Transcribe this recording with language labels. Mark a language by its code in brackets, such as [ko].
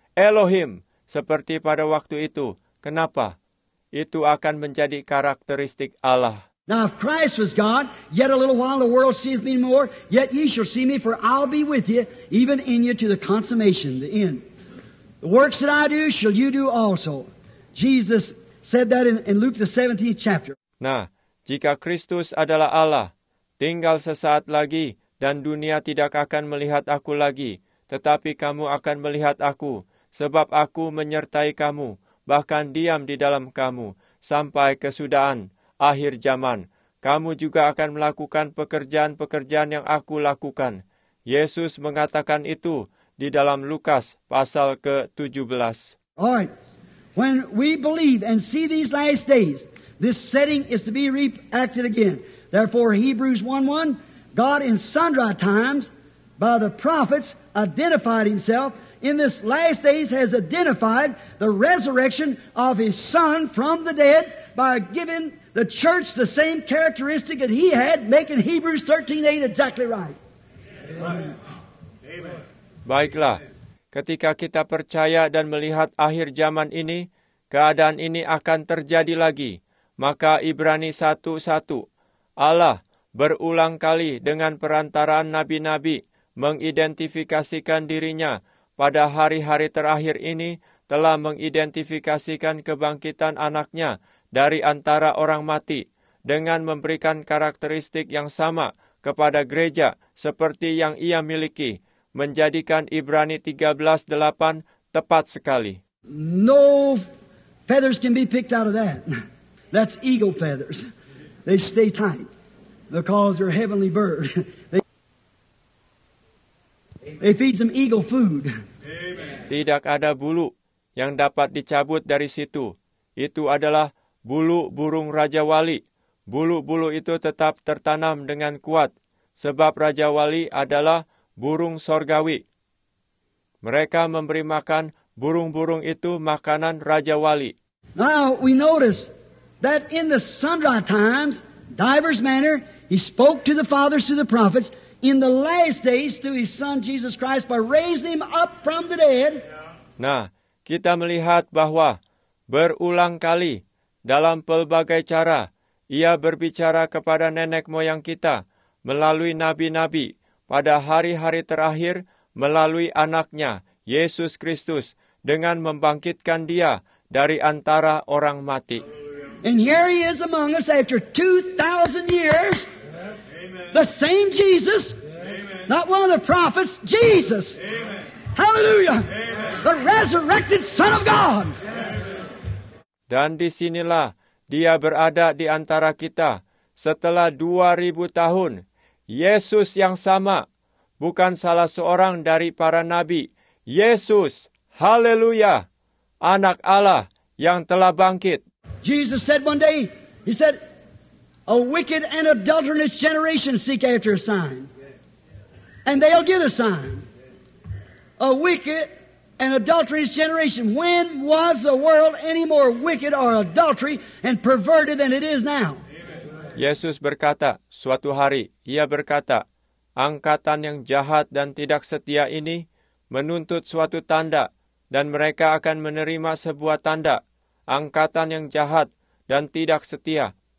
[id] Elohim, seperti pada waktu itu. Kenapa? Itu akan menjadi karakteristik Allah. [en] Now, if Christ was God, yet a little while the world seeth me more, yet ye shall see me, for I'll be with you, even in you, to the consummation, the end. The works that I do, shall you do also. Jesus said that in Luke the 17th chapter. [id] Nah, jika Kristus adalah Allah, tinggal sesaat lagi, dan dunia tidak akan melihat aku lagi, tetapi kamu akan melihat aku, sebab aku menyertai kamu, bahkan diam di dalam kamu, sampai kesudahan, akhir zaman. Kamu juga akan melakukan pekerjaan-pekerjaan yang aku lakukan. Yesus mengatakan itu di dalam Lukas pasal ke-17. [en] All right. When we believe and see these last days, this setting is to be reacted again. Therefore, Hebrews 1:1, God in sundry times by the prophets identified himself in this last days has identified the resurrection of his son from the dead by giving the church the same characteristic that he had, making Hebrews 13:8 exactly right. Amen. [id] Baiklah, ketika kita percaya dan melihat akhir zaman ini, keadaan ini akan terjadi lagi. Maka Ibrani 1:1, Allah berulang kali dengan perantaraan nabi-nabi mengidentifikasikan dirinya pada hari-hari terakhir ini telah mengidentifikasikan kebangkitan anaknya dari antara orang mati dengan memberikan karakteristik yang sama kepada gereja seperti yang ia miliki, menjadikan Ibrani 13:8 tepat sekali. [en] No feathers can be picked out of that. That's eagle feathers. They stay tight because they're heavenly bird. They feed some eagle food. [id] Tidak ada bulu yang dapat dicabut dari situ. Itu adalah bulu burung Raja Wali. Bulu-bulu itu tetap tertanam dengan kuat, sebab Raja Wali adalah burung sorgawi. Mereka memberi makan burung-burung itu makanan Raja Wali. [en] Now we notice that in the sundry times, divers manner, he spoke to the fathers through the prophets. In the last days to his son Jesus Christ by raising him up from the dead. [id] Nah, kita melihat bahwa berulang kali dalam pelbagai cara ia berbicara kepada nenek moyang kita melalui nabi-nabi pada hari-hari terakhir melalui anaknya Yesus Kristus dengan membangkitkan dia dari antara orang mati. [en] And here he is among us after 2,000 years. The same Jesus, amen. Not one of the prophets, Jesus. Amen. Hallelujah. Amen. The resurrected Son of God. Amen. [id] Dan disinilah dia berada di antara kita setelah 2,000 tahun. Yesus yang sama, bukan salah seorang dari para nabi. Yesus, haleluya, anak Allah yang telah bangkit. [en] Jesus said one day, he said, a wicked and adulterous generation seek after a sign, and they'll get a sign. A wicked and adulterous generation. When was the world any more wicked or adultery and perverted than it is now? [id] Yesus berkata, suatu hari, ia berkata, angkatan yang jahat dan tidak setia ini menuntut suatu tanda, dan mereka akan menerima sebuah tanda. Angkatan yang jahat dan tidak setia.